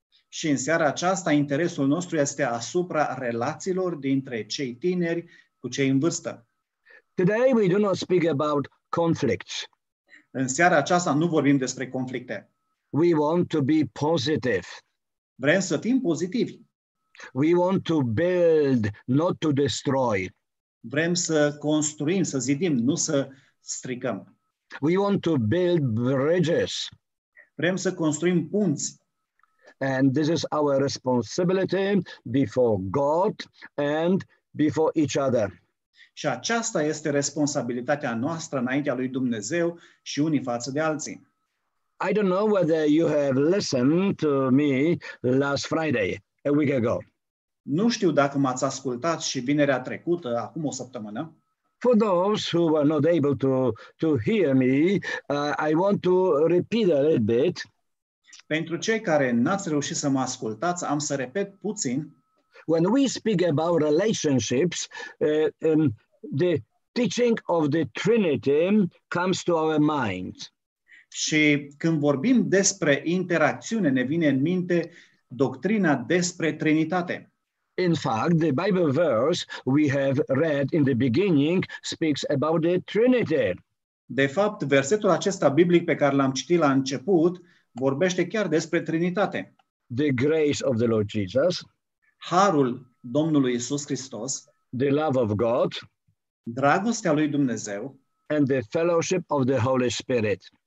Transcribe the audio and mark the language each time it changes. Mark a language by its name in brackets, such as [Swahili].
[Romanian] Și în seara aceasta interesul nostru este asupra relațiilor dintre cei tineri cu cei în vârstă. [English] Today we do not speak about conflicts. [Romanian] În seara aceasta nu vorbim despre conflicte. [English] We want to be positive. [Romanian] Vrem să fim pozitivi. [English] We want to build, not to destroy. [Romanian] Vrem să construim, să zidim, nu să stricăm. [English] We want to build bridges. [Romanian] Vrem să construim punți. [English] And this is our responsibility before God and before each other. [Romanian] Și aceasta este responsabilitatea noastră înaintea lui Dumnezeu și unii față de alții. [English] I don't know whether you have listened to me last Friday, a week ago. [Romanian] Nu știu dacă m-ați ascultat și vinerea trecută, acum o săptămână. [English] For those who were not able to hear me, I want to repeat a little bit. [Romanian] Pentru cei care n-ați reușit să mă ascultați, am să repet puțin. [English] When we speak about relationships, the teaching of the Trinity comes to our minds. [Romanian] Și când vorbim despre interacțiune, ne vine în minte doctrina despre Trinitate. [English] In fact, the Bible verse we have read in the beginning speaks about the Trinity. [Romanian] De fapt, versetul acesta biblic pe care l-am citit la început vorbește chiar despre Trinitate. [English] The grace of the Lord Jesus. [Romanian] Harul Domnului Iisus Hristos. [English] The love of God. [Romanian] Dragostea lui Dumnezeu. [English] And the fellowship of the Holy Spirit.